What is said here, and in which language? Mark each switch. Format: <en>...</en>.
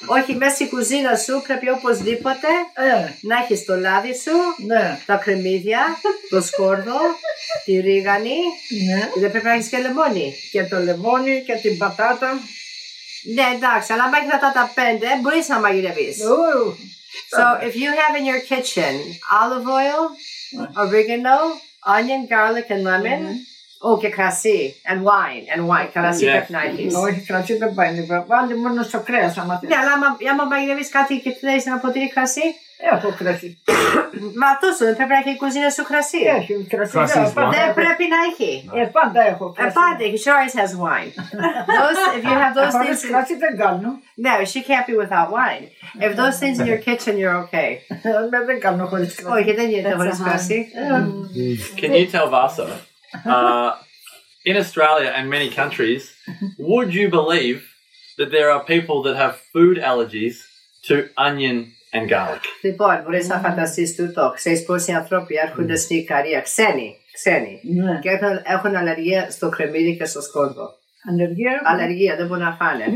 <el>Όχι, μέσα στη κουζίνα σου πρέπει οπωσδήποτε να έχεις το λάδι σου, τα κρεμμύδια, το σκόρδο, τη ρίγανη. Ναι. Δεν πρέπει να έχεις και λεμόνι. Και το λεμόνι και την πατάτα. Ναι, εντάξει, αλλά μέχρι να τα πέντε μπορείς να μαγειρεύεις.</el> <en>So, if you have in your kitchen olive oil, oregano, onion, garlic and lemon,</en> <el>και κρασί,</el> <en>and wine,</en> <el>κρασί πεφνάκι. Όχι, κρασί δεν πάει, βάλε μόνο στο κρέας. Ναι, αλλά άμα μαγειρεύεις κάτι και θέλεις να ποτήρει κρασί. Έχω κρασί. Μα τόσο, δεν πρέπει να έχει η κουζίνα σου κρασί. Έχει κρασί. Δεν πρέπει να έχει. Πάντα έχω κρασί. Πάντα έχει,</el> <en>she always has wine. If you have those things...</en> <el>Κρασί δεν κάνω.</el> <en>No, she can't be without wine. If those things in your kitchen, you're okay.</en> <el>Δεν κάνω χωρίς κρασί. Όχι, δεν γίνεται χωρίς κρασί.</el> <en>Can you tell Vasso, in Australia and many countries, would you believe that there are people that have food allergies to onion and garlic.</en> <el>Λοιπόν, μπορείς να φανταστείς τούτο. Ξέρεις πόσοι άνθρωποι έρχονται στην Ικαρία, ξένοι, και έχουν αλλεργία στο κρεμμύδι και στο σκόρδο. Αλλεργία? Αλλεργία, δεν μπορούν να φάνε.</el>